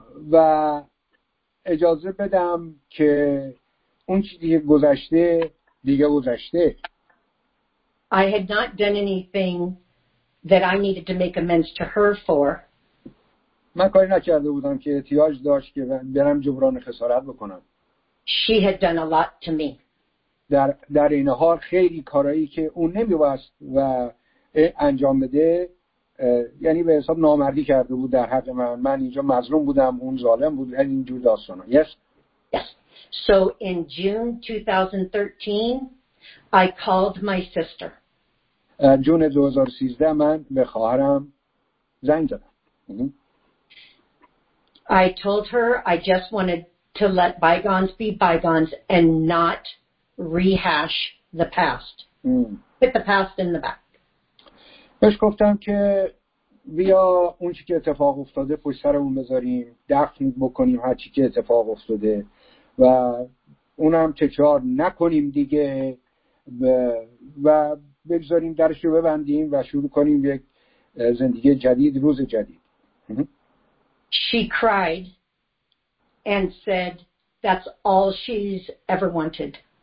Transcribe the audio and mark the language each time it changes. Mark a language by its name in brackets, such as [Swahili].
[Persian] و اجازه بدم که اون چیزی که گذشته دیگه گذشته. [English] I had not done anything that I needed to make amends to her for. [Persian] من کاری نکرده بودم که احتیاج داشت که برم جبران خسارت بکنم. [English] She had done a lot to me. [Persian] در این حال خیلی کارایی که اون نمی‌خواست و انجام بده، یعنی به حساب نامردی کرده بود در حق من. من اینجا مظلوم بودم، اون ظالم بود، اینجور داستانا. [English] Yes. Yes. So in June 2013 I called my sister. [Persian] جون 2013 من به خواهرم زنگ زدم. [English] I told her I just wanted to let bygones be bygones and not rehash the past. Put the past in the back. [Persian] بهش گفتم که بیا اون چی که اتفاق افتاده پشت سرمون بذاریم، دفن بکنیم هر چی که اتفاق افتاده و اونم تکرار نکنیم دیگه و بگذاریم درش رو ببندیم و شروع کنیم یک زندگی جدید، روز جدید. [English] She cried and said that's all she's ever wanted.